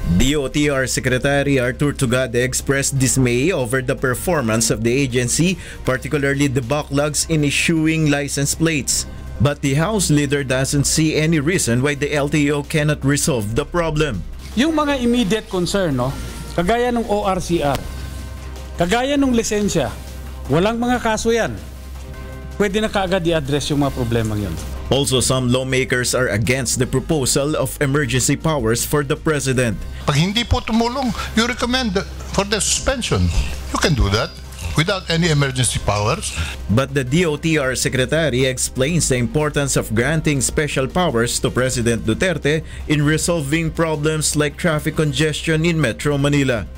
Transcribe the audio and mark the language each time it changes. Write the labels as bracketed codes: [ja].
[en] DOTR Secretary Arthur Tugade expressed dismay over the performance of the agency, particularly the backlogs in issuing license plates. But the House leader doesn't see any reason why the LTO cannot resolve the problem. [tl] Yung mga immediate concern, no? Kagaya ng ORCR, kagaya ng lisensya, walang mga kaso yan. Pwede na kaagad i-address yung mga problema yun. [en] Also, some lawmakers are against the proposal of emergency powers for the president. [tl] Pag hindi po tumulong, [en] you recommend for the suspension. You can do that without any emergency powers. But the DOTR secretary explains the importance of granting special powers to President Duterte in resolving problems like traffic congestion in Metro Manila.